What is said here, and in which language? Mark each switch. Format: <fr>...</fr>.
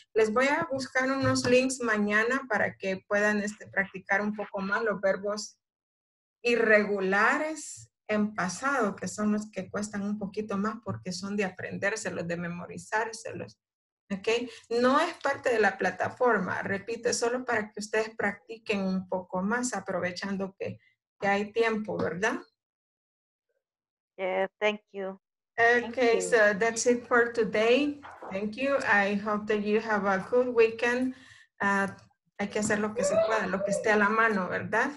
<es>Les voy a buscar unos links mañana para que puedan practicar un poco más los verbos irregulares en pasado, que son los que cuestan un poquito más porque son de aprendérselos, de memorizárselos, ¿ok? No es parte de la plataforma, repito, es solo para que ustedes practiquen un poco más, aprovechando que hay tiempo, ¿verdad?</es> <en>Yeah, thank you. Okay, thank you. So that's it for today. Thank you. I hope that you have a good weekend.</en> <es>Hay que hacer lo que se pueda, lo que esté a la mano, ¿verdad?</es>